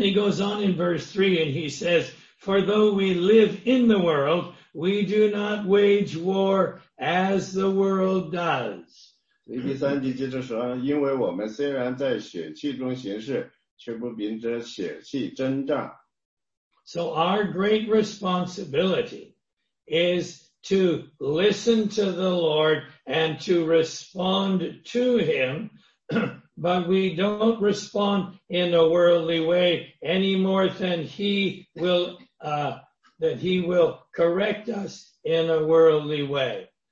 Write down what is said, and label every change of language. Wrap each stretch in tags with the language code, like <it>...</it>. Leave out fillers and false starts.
<en>he goes on in verse 3 and he says, "For though we live in the world, we do not wage war as the world does."</en> <zh>第三节接着说，因为我们虽然在血气中行事，却不凭着血气征战。</zh> <en>So our great responsibility is to listen to the Lord and to respond to him, but we don't respond in a worldly way any more than he will correct us in a worldly way.</en>